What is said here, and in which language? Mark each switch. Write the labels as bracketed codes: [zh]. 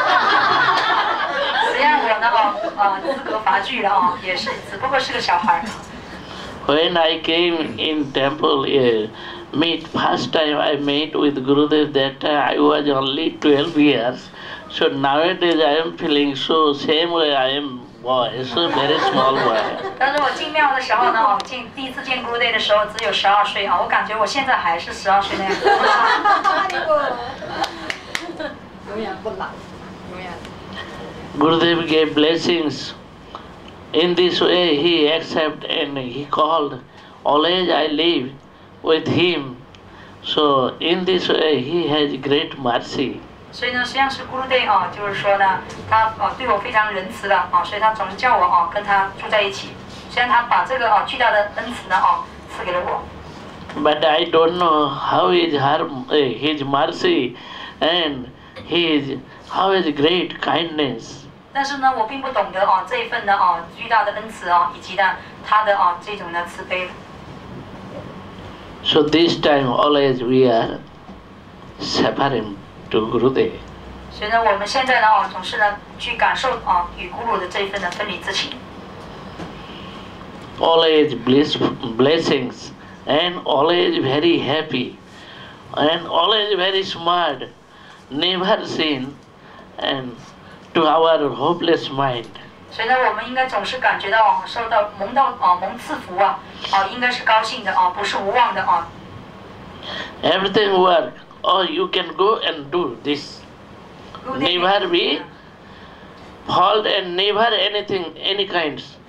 [zh] 实际上我呢，资格乏具了啊，也是只不过是个小孩。 [en] When I came in temple, first time I met with Gurudev, that time I was only 12 years. So nowadays I am feeling so same way I am boy, so very small boy. [zh] 但是我进庙的时候呢，第一次见 Gurudev 的时候只有12岁啊，我感觉我现在还是12岁那样。 [en] Gurudev gave blessings. In this way, he accepted and he called. Always I live with him. So in this way, he has great mercy. [zh] 所以呢，实际上是 Gurudev 啊，就是说呢，他啊对我非常仁慈的啊，所以他总是叫我啊跟他住在一起。虽然他把这个啊巨大的恩慈呢啊赐给了我。 [en] But I don't know how is his mercy and. how is great kindness. [zh] 但是呢，我并不懂得这一份巨大的恩慈以及这种慈悲。 So [en] this time always we are separate to Gurudev. [zh] 所以呢，我们现在呢总是呢去感受与Guru的这一份的分离之情。 Always [en] blessings and always very happy and always very smart, never seen and to our hopeless mind. [zh] 所以呢，我们应该总是感觉到受到蒙赐福，应该是高兴的，不是无望的。 [en] Everything work, or you can go and do this. Never be fault and never anything, any kinds.